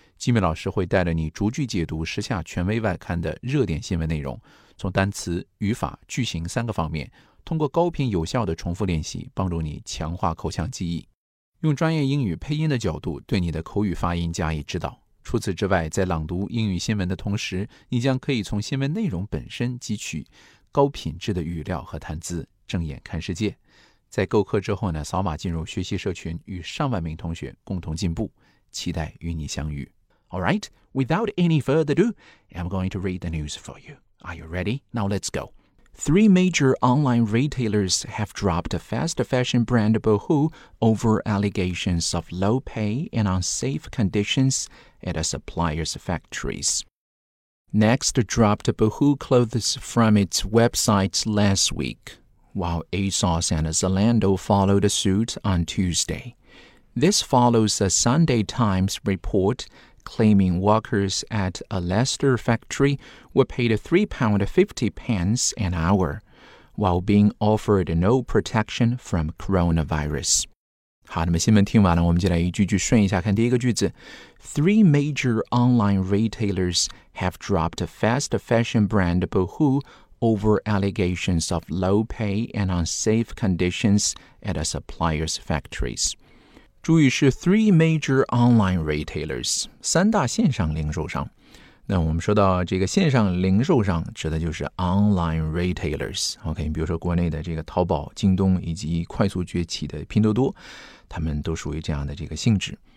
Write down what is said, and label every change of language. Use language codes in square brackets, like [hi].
[zh] 吉米老师会带着你逐句解读时下权威外刊的热点新闻内容，从单词、语法、句型三个方面，通过高频有效的重复练习，帮助你强化口腔记忆，用专业英语配音的角度对你的口语发音加以指导。除此之外，在朗读英语新闻的同时，你将可以从新闻内容本身汲取高品质的语料和谈资，睁眼看世界。在购课之后呢，扫码进入学习社群，与上万名同学共同进步，期待与你相遇。 [en] All right, without any further ado, I'm going to read the news for you. Are you ready? Now let's go. Three major online retailers have dropped fast fashion brand Boohoo over allegations of low pay and unsafe conditions at a supplier's factories. Next dropped Boohoo clothes from its websites last week, while ASOS and Zalando followed suit on Tuesday. This follows a Sunday Times report claiming workers at a Leicester factory were paid £3.50 an hour, while being offered no protection from coronavirus. [zh] 好，那么新闻听完了，我们接下来一句句顺一下看第一个句子。 [en] Three major online retailers have dropped a fast fashion brand Boohoo over allegations of low pay and unsafe conditions at a supplier's factories. [zh] 注意是 [en] three major online retailers, [zh] 三大线上零售商。那我们说到这个线上零售商指的就是 [en] online retailers。 [zh] OK, 比如说国内的这个淘宝、京东以及快速崛起的拼多多，他们都属于这样的这个性质。